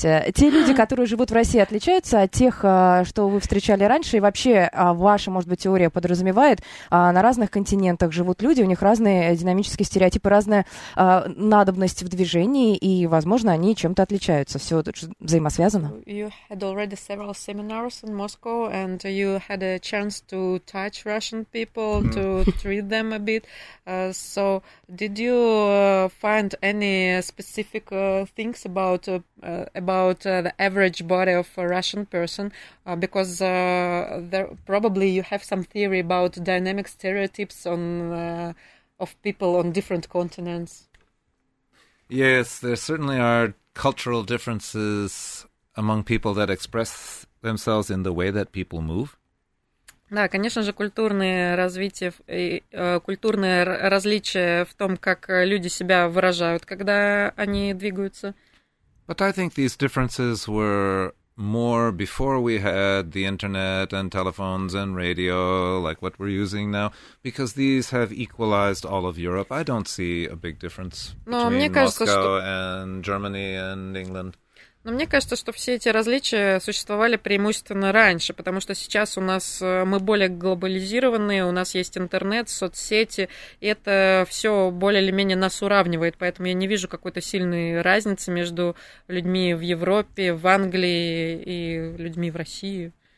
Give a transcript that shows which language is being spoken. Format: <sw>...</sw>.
<ru>Те люди, которые живут в России, отличаются от тех, что вы встречали раньше? И вообще, ваша, может быть, теория подразумевает, на разных континентах живут люди, у них разные динамические стереотипы. типа разная надобность в движении, и, возможно, они чем-то отличаются. Все взаимосвязано.</ru> <en>You had already several seminars in Moscow, and you had a chance to touch Russian people, to treat them a bit. So did you find any specific things about about the average body of a Russian person? Because there probably you have some theory about dynamic stereotypes on of people on different continents. Yes, there certainly are cultural differences among people that express themselves in the way that people move.</en> <ru>Да, конечно же, культурные различия в том, как люди себя выражают, когда они двигаются.</ru> <en>But I think these differences were more before we had the internet and telephones and radio, like what we're using now, because these have equalized all of Europe. I don't see a big difference and Germany and England.</en> <ru>Но мне кажется, что все эти различия существовали преимущественно раньше, потому что сейчас у нас мы более глобализированные, у нас есть интернет, соцсети, и это все более или менее нас уравнивает, поэтому я не вижу какой-то сильной разницы между людьми в Европе, в Англии и людьми в России.</ru>